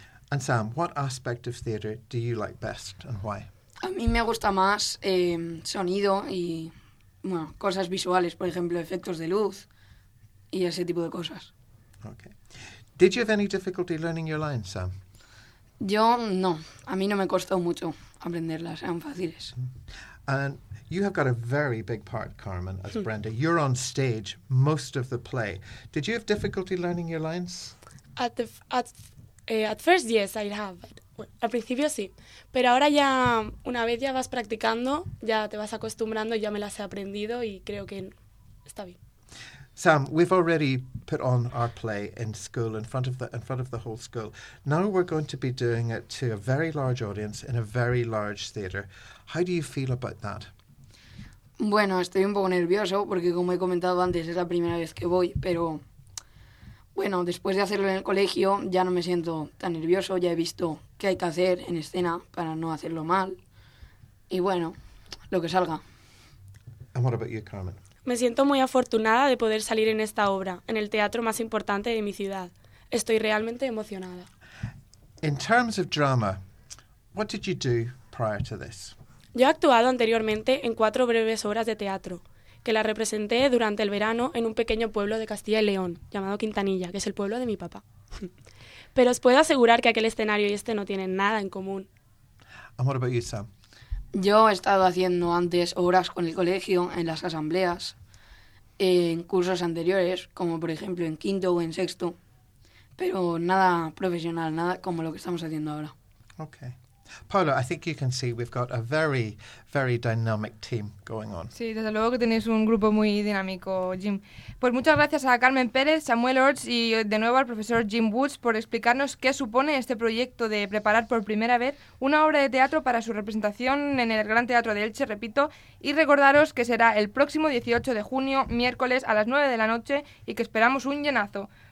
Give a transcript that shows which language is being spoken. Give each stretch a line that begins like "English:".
English: And Sam, what aspect of theater do you like best and why?
Spanish: A mí me gusta más sonido y bueno, cosas visuales, por ejemplo, efectos de luz y ese tipo de cosas.
English: Okay. Did you have any difficulty learning your lines, Sam?
Spanish: Yo no. A mí no me costó mucho aprenderlas. Eran fáciles.
English: And you have got a very big part, Carmen, as Brenda. You're on stage most of the play. Did you have difficulty learning your lines? At first, yes, I have.
Spanish: Bueno, al principio sí, pero ahora ya, una vez ya vas practicando, ya te vas acostumbrando, ya me las he aprendido y creo que está bien.
English: Sam, we've already put on our play in school, in front of the whole school. Now we're going to be doing it to a very large audience in a very large theatre. How do you feel about that?
Spanish: Bueno, estoy un poco nervioso porque, como he comentado antes, es la primera vez que voy, pero bueno, después de hacerlo en el colegio ya no me siento tan nervioso, ya he visto qué hay que hacer en escena para no hacerlo mal y bueno, lo que salga.
English: And what about you, Carmen?
Spanish: Me siento muy afortunada de poder salir en esta obra, en el teatro más importante de mi ciudad. Estoy realmente emocionada.
English: In terms of drama, what did you do prior to this?
Spanish: Yo he actuado anteriormente en 4 breves obras de teatro, que la representé durante el verano en un pequeño pueblo de Castilla y León, llamado Quintanilla, que es el pueblo de mi papá. Pero os puedo asegurar que aquel escenario y este no tienen nada en común.
English: And what about you, Sam?
Spanish: Yo he estado haciendo antes obras con el colegio, en las asambleas, en cursos anteriores, como por ejemplo en quinto o en sexto, pero nada profesional, nada como lo que estamos haciendo ahora.
English: Okay. Paula, I think you can see we've got a very, very dynamic team going on.
Spanish: Sí, desde luego que tenéis un grupo muy dinámico, Jim. Pues muchas gracias a Carmen Pérez, Samuel Orts y de nuevo al profesor Jim Woods por explicarnos qué supone este proyecto de preparar por primera vez una obra de teatro para su representación en el Gran Teatro de Elche, repito, y recordaros que será el próximo 18 de junio, miércoles, a las 9 de la noche y que esperamos un llenazo.